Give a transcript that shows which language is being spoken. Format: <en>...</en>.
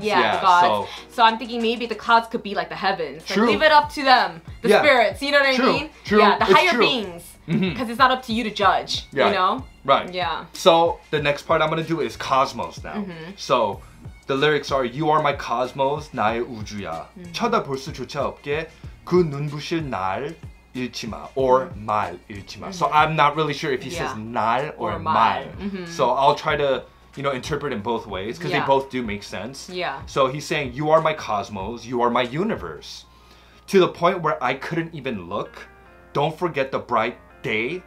<en>The gods. So I'm thinking maybe the clouds could be, like, the heavens. True. Like, leave it up to them, the spirits, you know what I mean? True. Yeah, the it's higher true. Beings. Because it's not up to you to judge, you know? Right. Yeah. So the next part I'm going to do is cosmos now. Mm-hmm. So the lyrics are, you are my cosmos, 나의 우주야.</en> <ko>쳐다볼 수조차 없게 그 눈부실 날 잃지 마 or 말 잃지 마.</ko> <en>So I'm not really sure if he says 날 or 말. So I'll try to, you know, interpret in both ways because they both do make sense. Yeah. So he's saying, you are my cosmos, you are my universe. To the point where I couldn't even look. Don't forget the bright day.</en>